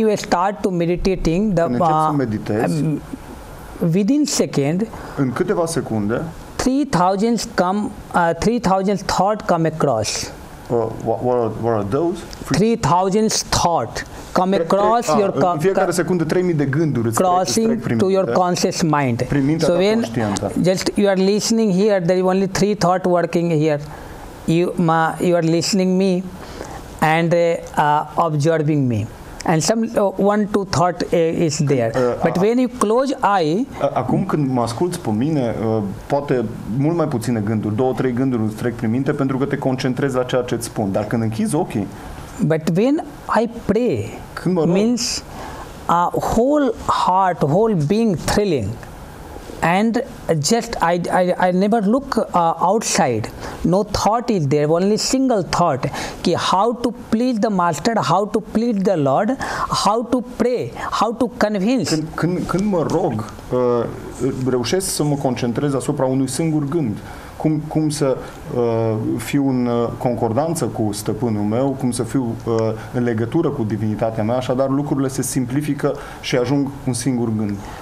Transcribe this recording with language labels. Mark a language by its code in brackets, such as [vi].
[en] You start to meditating the within second [ro] în câteva secunde [en] 3000 come 3000 thought come across. What are those? 3000 thought come across your [ro] în fiecare secundă 3000 de gânduri [en] crossing to your conscious mind. [ro] Prin mintea [en] so [ro] ta [en] when [ro] conștientă. [en] Just you are listening here there is only 3 thought working here. You are listening me and observing me and some one two thought is there but when you close eye [ro] acum când mă asculți pe mine poate mult mai puține gânduri, două trei gânduri îți trec prin minte pentru că te concentrezi la ceea ce îți spun, dar când închizi ochii [en] but when I pray [ro] când mă rog, [en] means a whole heart whole being thrilling and just I never look outside, no thought is there, only single thought ki how to please the master, how to please the Lord, how to pray, how to convince. [ro] Când mă rog, reușesc să mă concentrez asupra unui singur gând, cum să fiu în concordanță cu stăpânul meu, cum să fiu în legătură cu divinitatea mea, așadar lucrurile se simplifică și ajung un singur gând.